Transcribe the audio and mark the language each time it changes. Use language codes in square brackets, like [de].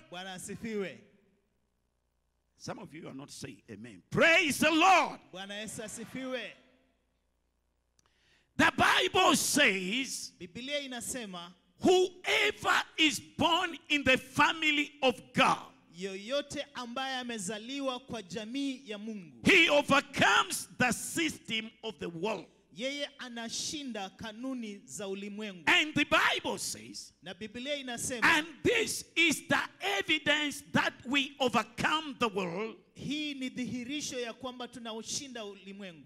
[sw] Bwana asifiwe. [en] Some of you are not saying amen. Praise the Lord. [sw] Bwana Yesu asifiwe. [en] The Bible says, [sw] Biblia inasema, [en] whoever is born in the family of God, [sw] yoyote ambaye amezaliwa kwa jamii ya Mungu, [en] he overcomes the system of the world. [sw] Yeye anashinda kanuni za ulimwengu. [en] And the Bible says, [sw] na Biblia inasema, [en] and this is the evidence that we overcome the world. [sw] Hii ni dhihirisho ya kwamba tunaushinda ulimwengu.